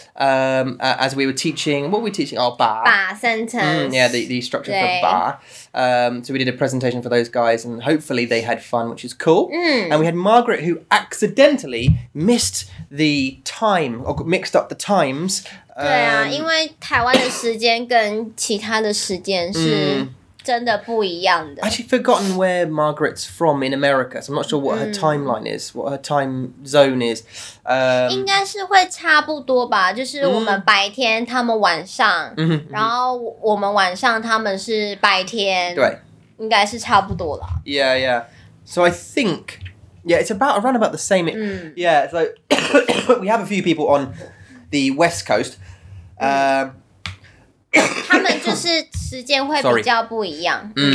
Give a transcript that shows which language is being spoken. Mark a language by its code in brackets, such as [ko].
[en] As we were teaching, what were we teaching? Oh, bar. Bar sentence. Yeah, the structure for bar. So we did a presentation for those guys, and hopefully they had fun, which is cool. And we had Margaret, who accidentally missed the time, or mixed up the times. [zh] 对啊，因为台湾的时间跟其他的时间是真的不一样的。 [en] I've actually forgotten where Margaret's from in America, so I'm not sure what her timeline is, what her time zone is. [zh] 应该是会差不多吧，就是我们白天，他们晚上，然后我们晚上，他们是白天，对，应该是差不多啦。 [en] Yeah, yeah. So I think, yeah, it's about around about the same. Yeah, so we have a few people on the West Coast. [zh] 他们就是时间会比较不一样。